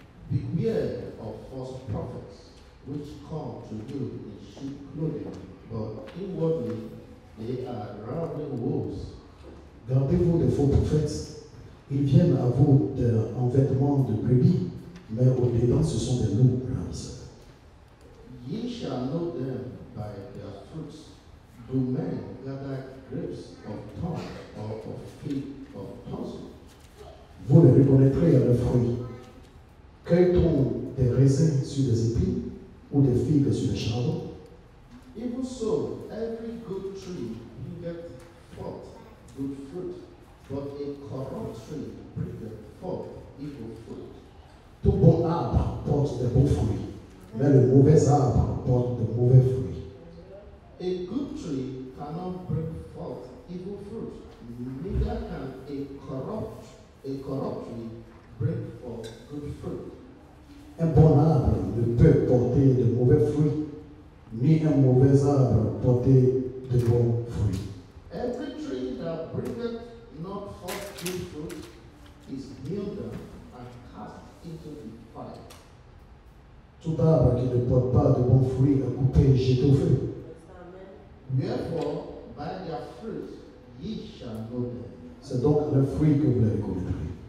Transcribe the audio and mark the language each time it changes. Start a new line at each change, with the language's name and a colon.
English: Beware of false prophets which come to you in sheep clothing, but inwardly they are ravening wolves.
French: Gardez-vous des faux prophètes. Ils viennent à vous en vêtements de brebis, mais au dedans ce sont des loups ravisseurs.
English: Ye shall know them by their fruits. Do men gather grapes of thorns or of fig of thorns?
French: Vous les reconnaîtrez à leurs fruits. Cueille-t-on des raisins sur des épines ou des figues sur des chardons?
English: Even so, every good tree bringeth forth good fruit. But a corrupt tree bringeth forth evil fruit.
French: Tout bon arbre porte de bons fruits, mais le mauvais arbre porte de mauvais fruits.
English: A good tree cannot bring forth evil fruit, neither can a corrupt tree bring forth good fruit.
French: Un bon arbre ne peut porter de mauvais fruits, ni un mauvais arbre porter de bons fruits.
English: Every tree that bringeth not forth good fruit is hewn down and cast into the fire.
French: Tout arbre qui ne porte pas de bons fruits est coupé et jeté au feu.
English: Therefore, by their fruits ye shall know them.
French: C'est donc le fruit que vous allez connaître.